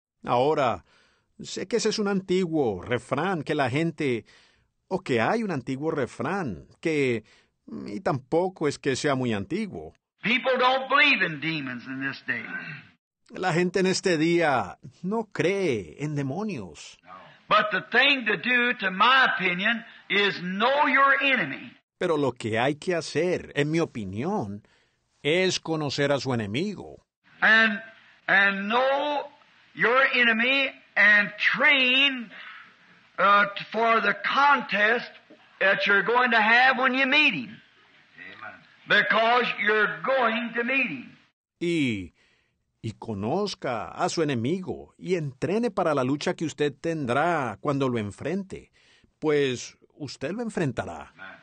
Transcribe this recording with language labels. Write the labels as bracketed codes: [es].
[es] Ahora, sé que ese es un antiguo refrán que la gente, o que hay un antiguo refrán que, y tampoco es que sea muy antiguo. [en] People don't believe in demons in this day. [es] La gente en este día no cree en demonios. [en] But the thing to do, to my opinion, is know your enemy. [es] Pero lo que hay que hacer, en mi opinión, es conocer a su enemigo. [en] And know your enemy and train for the contest that you're going to have when you meet him. Because you're going to meet him. [es] Y conozca a su enemigo y entrene para la lucha que usted tendrá cuando lo enfrente, pues usted lo enfrentará.